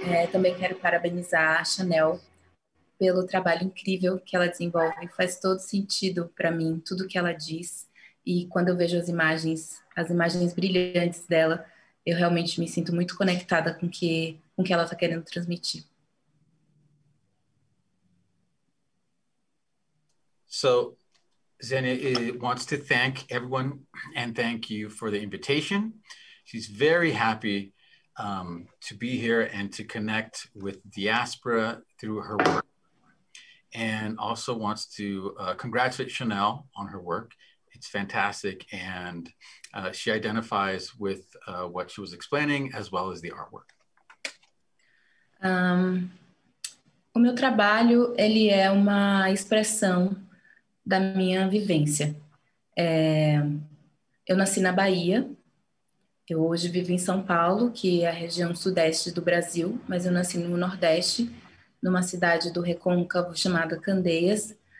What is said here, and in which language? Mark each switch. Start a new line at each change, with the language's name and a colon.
Portuguese: Também quero parabenizar a Chanel pelo trabalho incrível que ela desenvolve. Faz todo sentido para mim tudo que ela diz, e quando eu vejo as imagens brilhantes dela, eu realmente me sinto muito conectada com que ela está querendo transmitir.
English: So Xênia wants to thank everyone and thank you for the invitation. She's very happy to be here and to connect with diaspora through her work, and also wants to congratulate Chanel on her work. It's fantastic, and she identifies with what she was explaining as well as the artwork.
Portuguese: O meu trabalho, ele é uma expressão da minha vivência. Eu nasci na Bahia, eu hoje vivo em São Paulo, que é a região sudeste do Brasil, mas eu nasci no Nordeste, numa cidade do Recôncavo chamada Candeias.